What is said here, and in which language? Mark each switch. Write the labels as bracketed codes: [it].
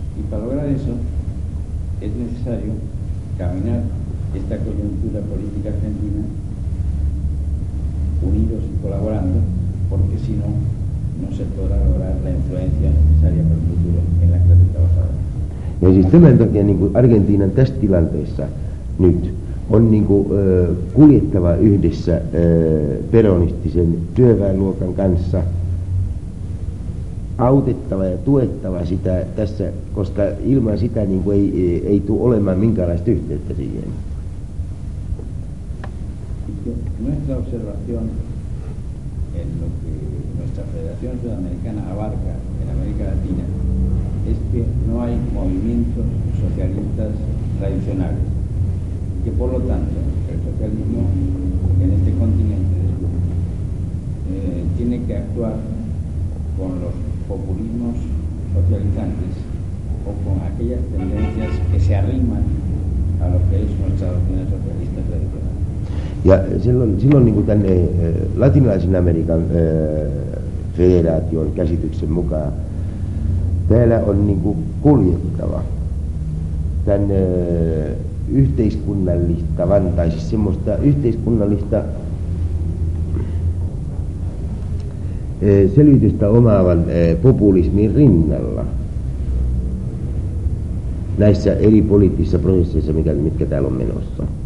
[es] Para lograr eso es necesario caminar esta coyuntura política argentina unidos y colaborando, porque si no, no se podrá lograr la influencia necesaria para el futuro en la clase trabajadora. [fi] Ja siis tämän takia niin kuin Argentiinan tässä tilanteessa nyt on niin kuin kuljettava yhdessä peronistisen työväenluokan kanssa, autettava ja tuettava sitä tässä, koska ilman sitä niin kuin ei tule olemaan minkäänlaista yhteyttä siihen. [es] Nuestra observación en lo que nuestra Federación Sudamericana abarca en América Latina es que no hay movimientos socialistas tradicionales, que por lo tanto el socialismo en este continente tiene que actuar con los populismos socializantes o con aquellas tendencias que se arriman a lo que es nuestra doctrina socialista tradicional. [fi] Ja silloin niin kuin tänne latinalaisen Amerikan federaation käsityksen mukaan täällä on niin kuin kuljettava tämän yhteiskunnallistavan tai siis semmoista yhteiskunnallista selitystä omaavan populismin rinnalla näissä eri poliittisissa prosesseissa, mitkä täällä on menossa.